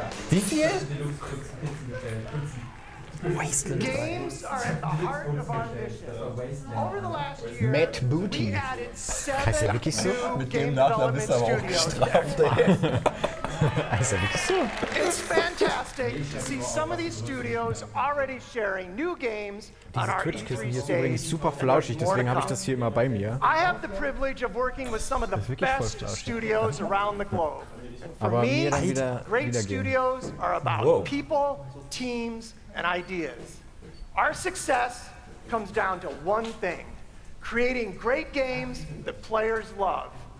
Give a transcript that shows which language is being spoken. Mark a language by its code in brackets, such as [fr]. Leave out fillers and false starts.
[de] Wie viel? [en] Wasteland 3. Games are at the heart of our mission. Over the last year, Matt Booty. [de] Heißt er wirklich so? Mit dem Nachnamen ist er aber auch gestraft. Also wirklich so. [en] It's fantastic to see some of these studios already sharing new games. [de] Diese Kürzkissen hier sind übrigens super flauschig, deswegen habe ich das hier immer bei mir. [en] I have the privilege of working with some of the best studios around the globe. And for me, great studios are about people, teams and ideas. Our success comes down to one thing: creating great games that players love.